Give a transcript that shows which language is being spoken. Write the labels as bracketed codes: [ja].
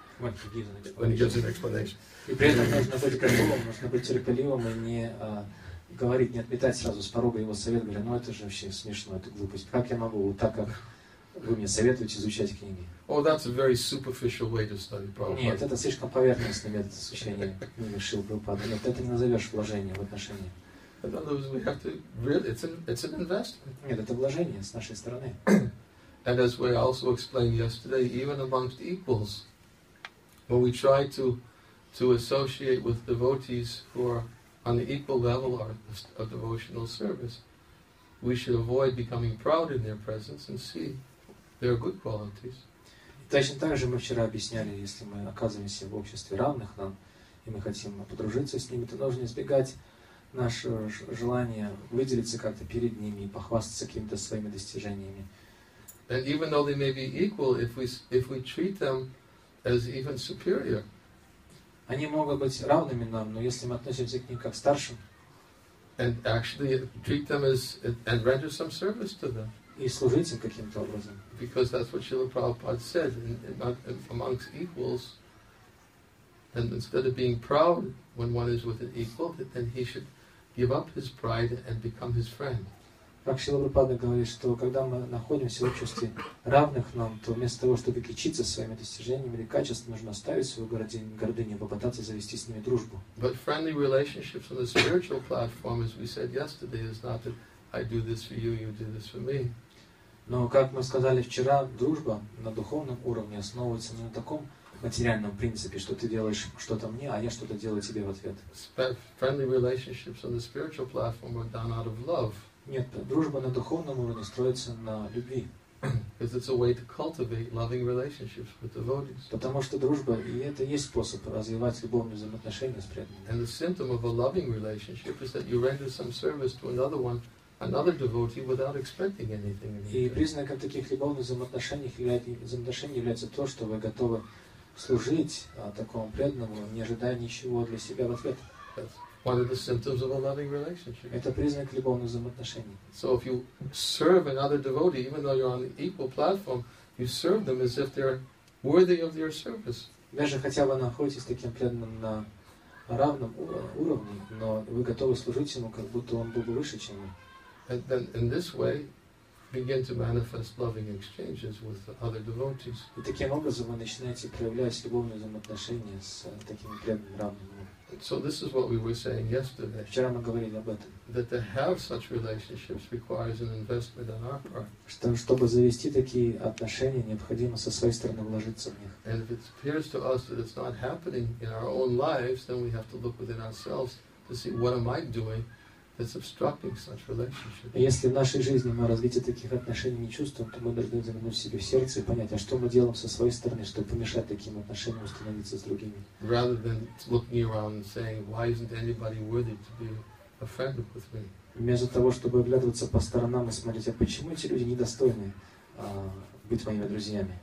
[en] When he gives an explanation. [ru] И при этом нужно быть готовым, нужно быть терпеливым и не говорить, не отметать сразу с порога его совет, говоря: "Ну это же вообще смешно, это глупость. Как я могу вот так, как вы мне советуете изучать книги?" [en] Oh, that's a very superficial way to study Prabhupada. [ru] Нет, это слишком поверхностный метод изучения книги Шрилы Прабхупады. Нет, это не назовешь вложение в отношения. [en] In other words, we have to really, it's an investment. [ru] Нет, это вложение с нашей стороны. [en] And as we also explained yesterday, even amongst equals, when we try to associate with devotees who are on the equal level of devotional service, we should avoid becoming proud in their presence and see their good qualities. [ru] Точно так же мы вчера объясняли, если мы оказываемся в обществе равных нам, и мы хотим подружиться с ними, то нужно избегать наше желание выделиться как-то перед ними и похвастаться какими-то своими достижениями. [en] And even though they may be equal, if we treat them as even superior. [ru] Они могут быть равными нам, но если мы относимся к ним как к старшим. [en] And actually treat them as and render some service to them. [ru] И служить им каким-то образом. [en] Because that's what Srila Prabhupada said, amongst equals. And instead of being proud when one is with an equal, then he should give up his pride and become his friend. [ru] Как Шрила Прабхупада говорит, что когда мы находимся в обществе равных нам, то вместо того, чтобы кичиться своими достижениями или качествами, нужно оставить свою гордыню и попытаться завести с ними дружбу. [en] But friendly relationships on the spiritual platform, as we said yesterday, is not that I do this for you, you do this for me. [ru] Но, как мы сказали вчера, дружба на духовном уровне основывается не на таком материальном принципе, что ты делаешь что-то мне, а я что-то делаю тебе в ответ. [en] Friendly relationships on the spiritual platform are done out of love. [ru] Нет, дружба на духовном уровне строится на любви. [en] Because it's a way to cultivate loving relationships with devotees. [ru] Потому что дружба и это есть способ развивать любовные взаимоотношения с преданными. [en] And the symptom of a loving relationship is that you render some service to another one, another devotee, without expecting anything. [ru] И признаком таких любовных взаимоотношений является то, что вы готовы служить такому преданному, не ожидая ничего для себя в ответ. [en] One of the symptoms of a loving relationship. [ru] Это признак любовных взаимоотношений. [en] So if you serve another devotee, even though you're on the equal platform, you serve them as if they're worthy of your service. [ru] Даже хотя вы находитесь таким преданным на равном уровне, но вы готовы служить ему, как будто он был бы выше, чем вы. [en] And then in this way, begin to manifest loving exchanges with other devotees. [ru] И таким образом вы начинаете проявлять любовные взаимоотношения с такими преданными равными. [en] So this is what we were saying yesterday. [ru] Вчера мы говорили об этом. [en] That to have such relationships requires an investment on our part. [ru] Что, чтобы завести такие отношения, необходимо со своей стороны вложиться в них. [en] And if it appears to us that it's not happening in our own lives, then we have to look within ourselves to see what am I doing that's obstructing such relationships. [ru] Если в нашей жизни мы развитие таких отношений не чувствуем, то мы должны заглянуть себе в сердце и понять, а что мы делаем со своей стороны, чтобы помешать таким отношениям установиться с другими. [en] Rather than looking around and saying, why isn't anybody worthy to be a friend with me? [ru] Вместо того, чтобы оглядываться по сторонам и смотреть, а почему эти люди недостойны быть моими друзьями?